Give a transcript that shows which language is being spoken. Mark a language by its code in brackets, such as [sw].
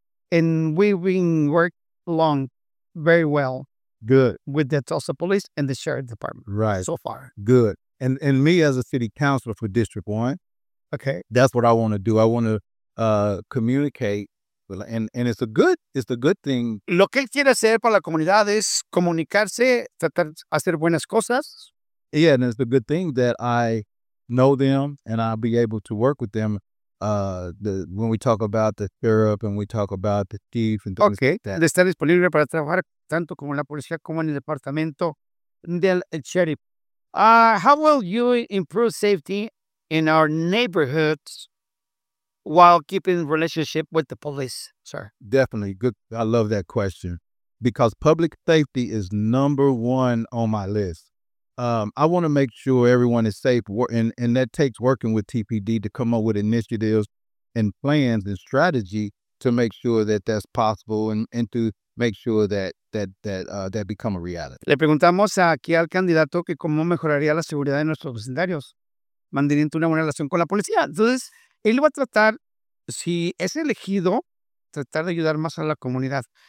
[en] And we've been working along very well. Good. With the Tulsa police and the sheriff department. Right. So far. Good. And me as a city councilor for District 1. Okay. That's what I want to do. I want to communicate. And it's a good thing. [es] Lo que quiere hacer para la comunidad es comunicarse, tratar de hacer buenas cosas. [en] Yeah, and it's a good thing that I know them and I'll be able to work with them. When we talk about the sheriff and we talk about the thief and things like that. [es] Okay, de estar disponible para trabajar tanto como en la policía como en el departamento del sheriff. [en] How will you improve safety in our neighborhoods while keeping relationship with the police, sir? Definitely. Good. I love that question because public safety is number one on my list. I want to make sure everyone is safe, and that takes working with TPD to come up with initiatives and plans and strategy to make sure that that's possible and to make sure that become a reality. [es] Le preguntamos aquí al candidato que cómo mejoraría la seguridad de nuestros vecindarios, manteniendo una buena relación con la policía. Entonces, él va a tratar, si es elegido, tratar de ayudar más a la comunidad.